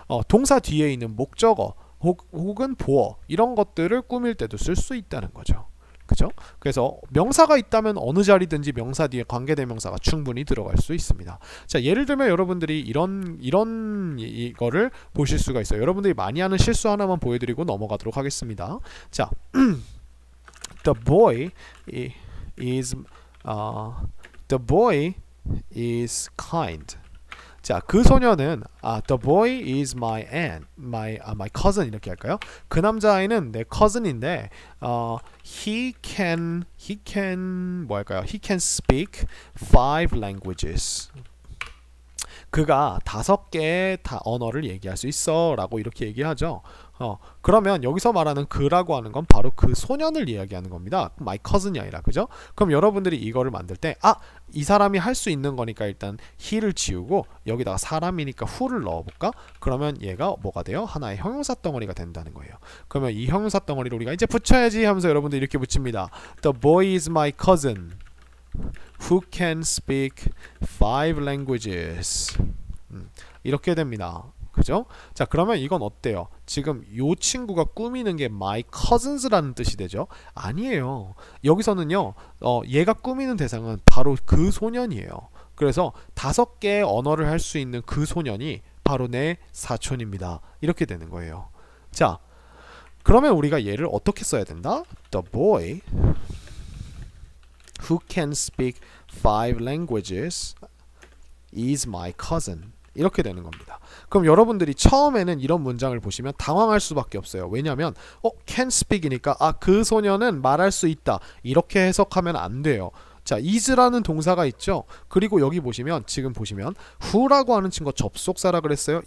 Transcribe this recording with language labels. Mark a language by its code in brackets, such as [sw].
[ko] 동사 뒤에 있는 목적어 혹은 보어 이런 것들을 꾸밀 때도 쓸 수 있다는 거죠. 그죠? 그래서 명사가 있다면 어느 자리든지 명사 뒤에 관계대명사가 충분히 들어갈 수 있습니다. 자, 예를 들면 여러분들이 이런 이거를 보실 수가 있어요. 여러분들이 많이 하는 실수 하나만 보여드리고 넘어가도록 하겠습니다. [en] 자, the boy is the boy is kind. 자, [ko] 그 소녀는 [en] the boy is my aunt, my cousin [ko] 이렇게 할까요? 그 남자아이는 내 cousin인데 [en] he can [ko] 뭐랄까요? [en] He can speak 5 languages. [ko] 그가 다섯 개의 언어를 얘기할 수 있어라고 이렇게 얘기하죠. 그러면 여기서 말하는 그라고 하는 건 바로 그 소년을 이야기하는 겁니다. My cousin이 아니라, 그죠? 그럼 여러분들이 이거를 만들 때, 아, 이 사람이 할 수 있는 거니까 일단 he를 지우고 여기다가 사람이니까 who를 넣어볼까? 그러면 얘가 뭐가 돼요? 하나의 형용사 덩어리가 된다는 거예요. 그러면 이 형용사 덩어리를 우리가 이제 붙여야지 하면서 여러분들 이렇게 붙입니다. [en] The boy is my cousin who can speak 5 languages. [ko] 이렇게 됩니다. 그죠? 자, 그러면 이건 어때요? 지금 요 친구가 꾸미는 게 my cousins라는 뜻이 되죠? 아니에요. 여기서는요, 얘가 꾸미는 대상은 바로 그 소년이에요. 그래서 다섯 개의 언어를 할 수 있는 그 소년이 바로 내 사촌입니다. 이렇게 되는 거예요. 자, 그러면 우리가 얘를 어떻게 써야 된다? [en] The boy who can speak 5 languages is my cousin. [ko] 이렇게 되는 겁니다. 그럼 여러분들이 처음에는 이런 문장을 보시면 당황할 수밖에 없어요. 왜냐하면 can speak이니까 그 소녀는 말할 수 있다 이렇게 해석하면 안 돼요. 자, is라는 동사가 있죠. 그리고 여기 보시면 지금 보시면 who라고 하는 친구 접속사라 그랬어요.